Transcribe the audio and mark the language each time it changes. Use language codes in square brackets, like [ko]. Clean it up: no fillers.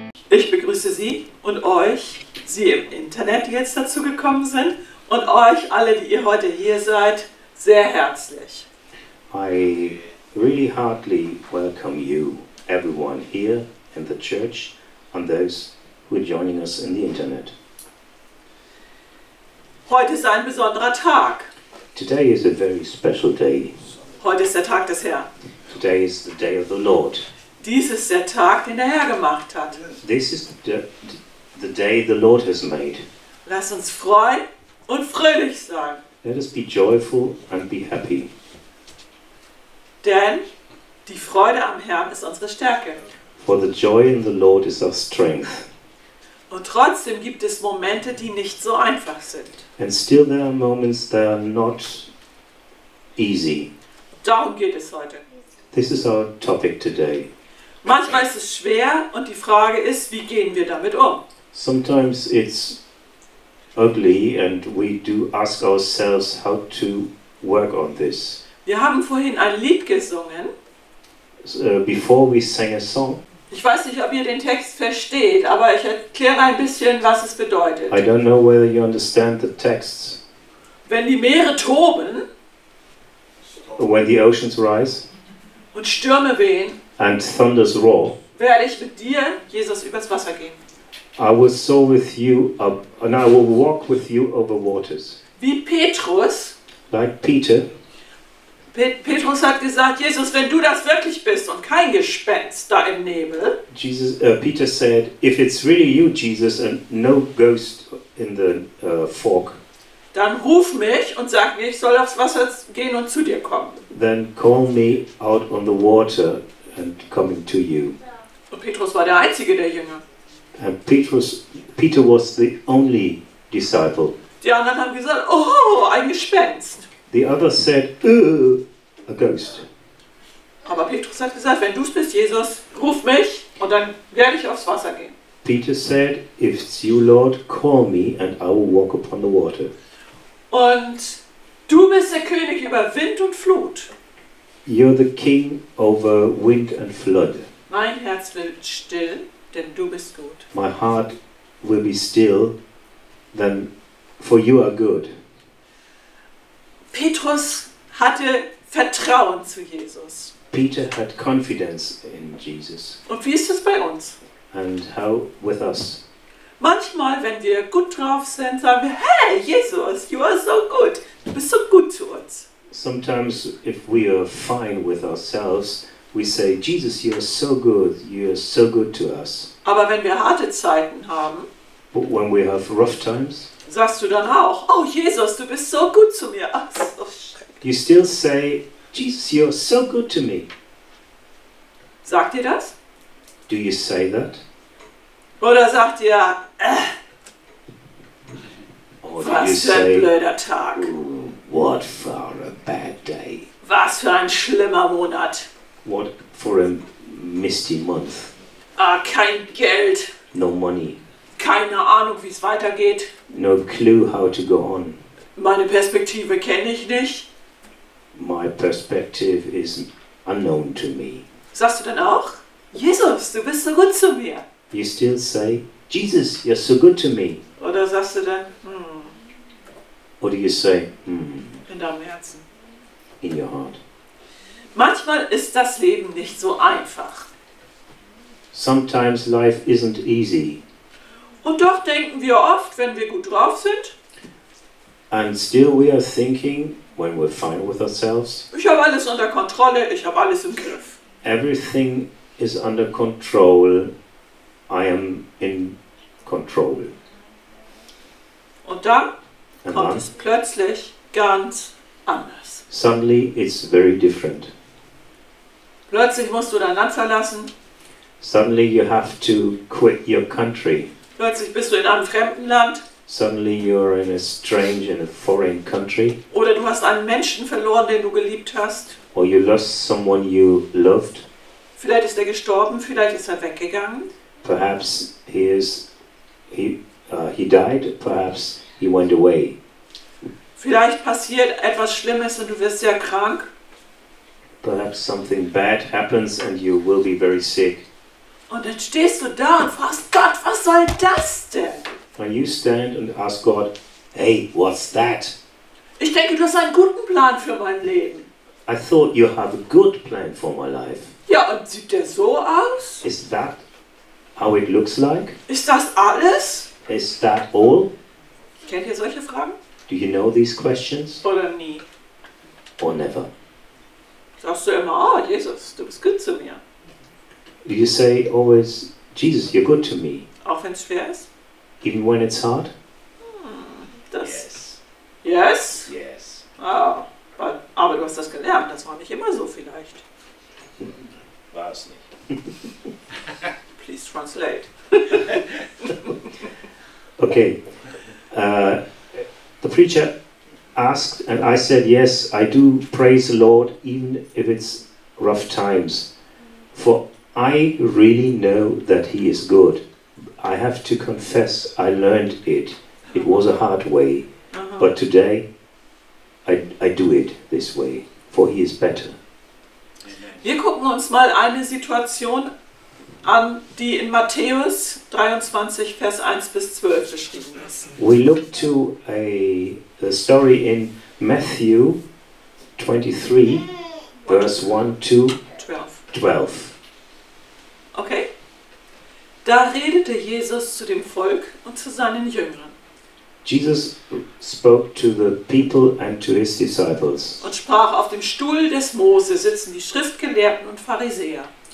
[de] Ich begrüße Sie und euch, Sie im Internet jetzt dazu gekommen sind, und euch alle, die ihr heute hier seid, sehr herzlich. [en] I really heartily welcome you, everyone here in the church, and those who are joining us in the internet. [de] Heute ist ein besonderer Tag. [en] Today is a very special day. [de] Heute ist der Tag des Herrn. [en] Today is the day of the Lord. [de] Dies ist der Tag, den der Herr gemacht hat. [en] This is the day the Lord has made. [de] Lass uns freuen und fröhlich sein. [en] Let us be joyful and be happy. [de] Denn die Freude am Herrn ist unsere Stärke. [en] For the joy in the Lord is our strength. [de] Und trotzdem gibt es Momente, die nicht so einfach sind. [en] And still there are moments that are not easy. [de] Darum geht es heute. [en] This is our topic today. [de] Manchmal ist es schwer und die Frage ist, wie gehen wir damit um? [en] Sometimes it's ugly and we do ask ourselves how to work on this. [de] Wir haben vorhin ein Lied gesungen. [en] Before we sang a song. [de] Ich weiß nicht, ob ihr den Text versteht, aber ich erkläre ein bisschen, was es bedeutet. [en] I don't know whether you understand the text. [de] Wenn die Meere toben. [en] When the oceans rise. [de] Und Stürme wehen. [en] And thunders roar. [de] Werde ich mit dir, Jesus, übers Wasser gehen? [en] I will soar with you up, and I will walk with you over waters. [de] Wie Petrus? [en] Like Peter. [de] Petrus hat gesagt, Jesus, wenn du das wirklich bist und kein Gespenst da im Nebel. [en] Peter said, if it's really you, Jesus, and no ghost in the fog. [de] Dann ruf mich und sag mir, ich soll aufs Wasser gehen und zu dir kommen. [en] Then call me out on the water. And coming to you. [de] Und Petrus war der einzige der Jünger. [en] And Peter was the only disciple. [de] Die anderen haben gesagt, oh, ein Gespenst. [en] The others said, a ghost. [de] Aber Petrus hat gesagt, wenn du es bist, Jesus, ruf mich und dann werde ich aufs Wasser gehen. [en] Peter said, if it's you, Lord, call me and I will walk upon the water. [de] Und du bist der König über Wind und Flut. [en] You're the king over wind and flood. [de] Mein Herz wird still, denn du bist gut. [en] My heart will be still, then for you are good. [de] Petrus hatte Vertrauen zu Jesus. [en] Peter had confidence in Jesus. [de] Und wie ist das bei uns? [en] And how with us? [de] Manchmal, wenn wir gut drauf sind, sagen wir, hey, Jesus, [en] you are so good. [de] Du bist so gut zu uns. [en] Sometimes, if we are fine with ourselves, we say, Jesus, you are so good, you are so good to us. [de] Aber wenn wir harte Zeiten haben, [en] but when we have rough times, [de] sagst du dann auch, oh Jesus, du bist so gut zu mir. Ach, so schrecklich. [en] You still say, Jesus, you are so good to me. [de] Sagt ihr das? [en] Do you say that? [de] Oder sagt ihr, was für ein blöder Tag. [en] What for a bad day. [de] Was für ein schlimmer Monat. [en] What for a misty month. [de] Ah, kein Geld. [en] No money. [de] Keine Ahnung, wie es weitergeht. [en] No clue how to go on. [de] Meine Perspektive kenne ich nicht. [en] My perspective is unknown to me. [de] Sagst du dann auch? Jesus, du bist so gut zu mir. [en] You still say, Jesus, you're so good to me. [de] Oder sagst du dann, [en] What do you say? [de] In deinem Herzen. [en] In your heart. [de] Manchmal ist das Leben nicht so einfach. [en] Sometimes life isn't easy. [de] Und doch denken wir oft, wenn wir gut drauf sind. [en] And still we are thinking, when we're fine with ourselves. [de] Ich habe alles unter Kontrolle, ich habe alles im Griff. [en] Everything is under control. I am in control. [de] Und dann? Kommt es plötzlich ganz anders. [en] Suddenly it's very different. [de] Plötzlich musst du dein Land verlassen. [en] Suddenly you have to quit your country. [de] Plötzlich bist du in einem fremden Land. [en] Suddenly you're in a strange and a foreign country. [de] Oder du hast einen Menschen verloren, den du geliebt hast. [en] Or you lost someone you loved. [de] Vielleicht ist er gestorben, vielleicht ist er weggegangen. [en] Perhaps he died, perhaps he went away. [de] Vielleicht passiert etwas Schlimmes und du wirst sehr krank. [en] Perhaps something bad happens and you will be very sick. [de] Und dann stehst du da und fragst Gott, was soll das denn? [en] And you stand and ask God, hey, what's that? [de] Ich denke, du hast einen guten Plan für mein Leben. [en] I thought you have a good plan for my life. [de] Ja, und sieht der so aus? [en] Is that how it looks like? [de] Ist das alles? [en] Is that all? [de] Kennt ihr solche Fragen? [en] Do you know these questions? [de] Oder nie? [en] Or never? [de] Sagst du immer, oh, Jesus, du bist gut zu mir. [en] Do you say always, Jesus, you're good to me? [de] Auch wenn es schwer ist? [en] Even when it's hard? [de] Das [en] yes. Yes? Yes. [de] Oh, aber du hast das gelernt, das war nicht immer so vielleicht. War es nicht. [en] Please translate. Okay. The preacher asked, and I said, yes, I do praise the Lord, even if it's rough times. For I really know that he is good. I have to confess, I learned it. It was a hard way. Uh-huh. But today, I do it this way, for he is better. [de] Wir gucken uns mal eine Situation an, die in Matthäus 23, Vers 1 bis 12 geschrieben ist. [en] We look to a story in Matthew 23, verse 1 to 12. Okay. [de] Da redete Jesus zu dem Volk und zu seinen Jüngern. [en] Jesus spoke to the people and to his disciples. [de] Und sprach, auf dem Stuhl des Mose sitzen die Schriftgelehrten und Pharisäer.